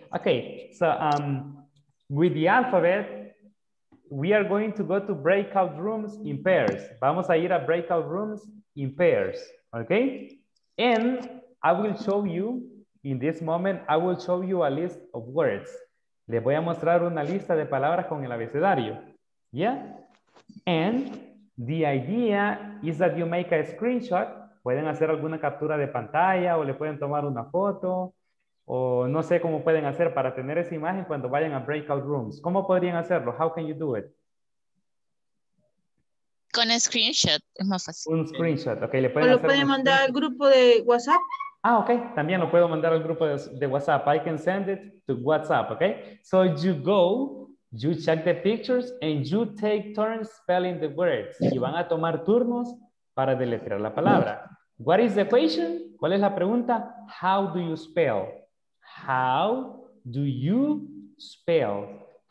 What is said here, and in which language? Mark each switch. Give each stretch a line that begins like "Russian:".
English: Okay, so with the alphabet, we are going to go to breakout rooms in pairs.
Spanish: Vamos a ir a breakout rooms
English: in pairs,
Spanish: okay?
English: And I will show you, in this moment, I will show you a list of words.
Spanish: Les voy a mostrar una lista de palabras con el abecedario.
English: Yeah, and the idea is that you make a screenshot.
Spanish: Pueden hacer alguna captura de pantalla o le pueden tomar una foto o no sé cómo pueden hacer para tener esa imagen cuando vayan a breakout rooms. ¿Cómo podrían hacerlo?
English: How can you do it?
Spanish: Con el screenshot es más fácil. Un screenshot, okay. ¿Le pueden o lo pueden mandar al grupo de WhatsApp?
English: Ah, okay.
Spanish: También lo puedo mandar al grupo de WhatsApp.
English: I can send it to WhatsApp, okay? So you go. You check the pictures and you take turns spelling the words.
Spanish: Y van a tomar turnos para deletrear la palabra.
English: What is the question?
Spanish: ¿Cuál es la pregunta?
English: How do you spell? How do you spell?